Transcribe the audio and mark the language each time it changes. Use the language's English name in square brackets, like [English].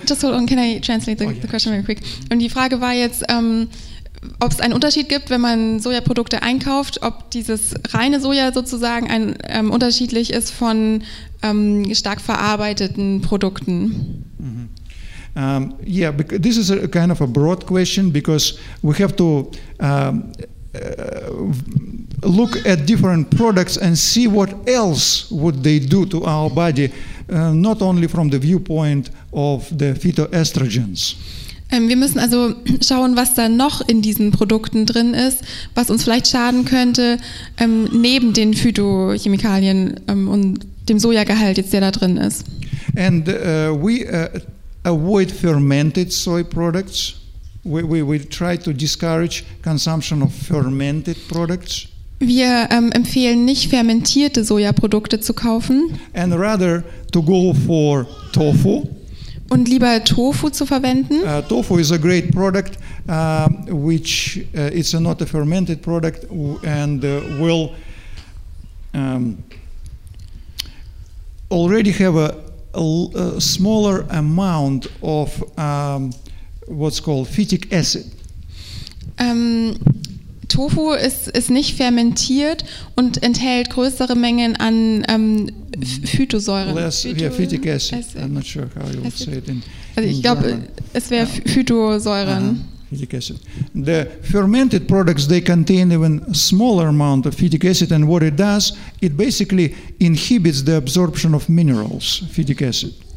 [English] Just hold on, can I translate the question very quick? [German] Und die Frage war jetzt, ob es einen Unterschied gibt, wenn man Sojaprodukte einkauft, ob dieses reine Soja sozusagen ein unterschiedlich ist von stark verarbeiteten Produkten. Mm-hmm. [English] Yeah, this is a kind of a broad question because we have to look at different products and see what else would they do to our body, not only from the viewpoint of the phytoestrogens. [German] Wir müssen also schauen, was da noch in diesen Produkten drin ist, was uns vielleicht schaden könnte, neben den Phytochemikalien und dem Sojagehalt, jetzt der da drin ist. [English] And we avoid fermented soy products. We try to discourage consumption of fermented products. [German] Wir empfehlen nicht fermentierte Sojaprodukte zu kaufen. [English] And rather to go for tofu. [German] Und lieber Tofu zu verwenden. [English] Tofu is a great product, which it's not a fermented product and will already have a smaller amount of what's called phytic acid. [German] Tofu ist nicht fermentiert und enthält größere Mengen an Phytosäuren. [English] Phytic acid. I'm not sure how you would acid. Say it in [German] also ich glaube, es wäre Phytosäuren. [English] Uh-huh. Phytic acid. The fermented products, they contain even smaller amount of phytic acid and what it does, it basically inhibits the absorption of minerals, phytic acid.